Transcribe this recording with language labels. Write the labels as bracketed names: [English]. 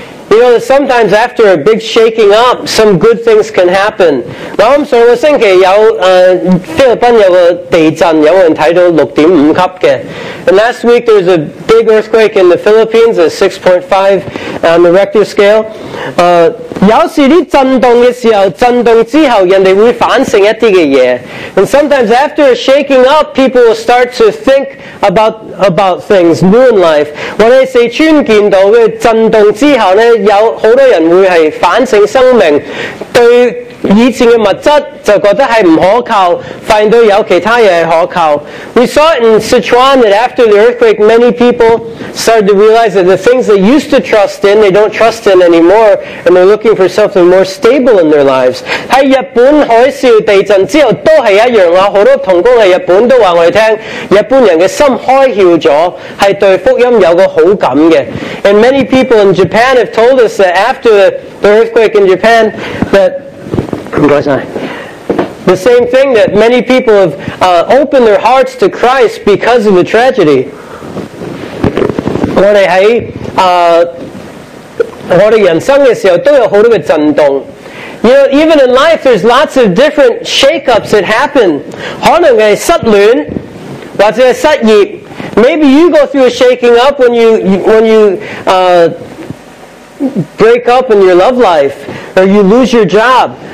[English] You know, sometimes after a big shaking up, some good things can happen. [Cantonese] 咁上个星期有菲律宾有个地震，有人睇到6.5级嘅。 [English] And last week there was a big earthquake in the Philippines, a 6.5 on the Richter scale. [Cantonese] 有时啲震动嘅时候，震动之后人哋会反省一啲嘅嘢。 [English] And sometimes after a shaking up, people will start to think about things new in life. [Cantonese] 我哋四川见到嘅震动之后咧，有好多人会系反省生命，对以前嘅物质就觉得系唔可靠，发现到有其他嘢系可靠。 [English] We saw in Sichuan that after the earthquake, many people started to realize that the things they used to trust in, they don't trust in anymore, and they're looking for something more stable in their lives. [Cantonese] 喺日本海啸地震之后都系一样啊！好多同工喺日本都话我哋听，日本人嘅心开窍咗，系对福音有个好感嘅。 [English] And many people in Japan have told us that after the earthquake in Japan, that the same thing, that many people have opened their hearts to Christ because of the tragedy. [Cantonese] 我哋喺我哋人生嘅时候都有好多嘅震动， [English] You know, even in life, there's lots of different shake-ups that happen. [Cantonese] 可能是失戀, 或者是失業, [English] maybe you go through a shaking up when you break up in your love life, or you lose your job.